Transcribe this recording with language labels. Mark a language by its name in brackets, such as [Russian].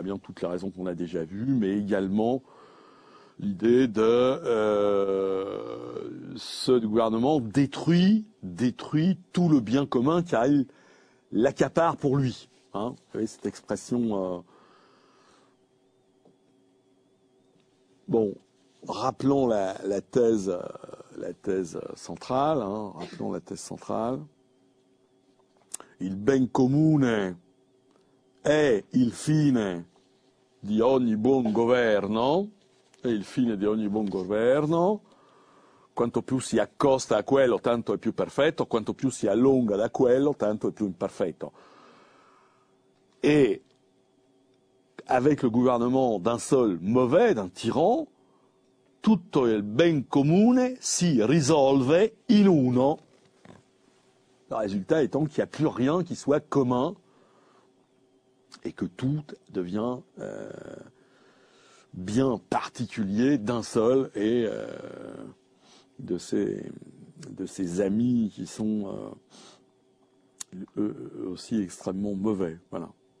[French] Eh bien, toutes les raisons qu'on a déjà vues, mais également l'idée de ce gouvernement détruit tout le bien commun car il l'accapare pour lui. Hein, vous voyez cette expression. Bon, rappelons la thèse centrale. Hein, rappelons la thèse centrale. [Italian] Il ben comune è il fine di ogni buon governo, è il fine di ogni buon governo. Quanto più si accosta a quello, tanto è più perfetto. Quanto più si allunga da quello, tanto è più imperfetto. [French] E avec le gouvernement d'un seul mauvais, d'un tyran, [Italian] tutto il ben comune si risolve in uno. [French] Le résultat étant qu'il n'y a plus rien qui soit commun et que tout devient bien particulier d'un seul et de ses amis qui sont eux aussi extrêmement mauvais. Voilà.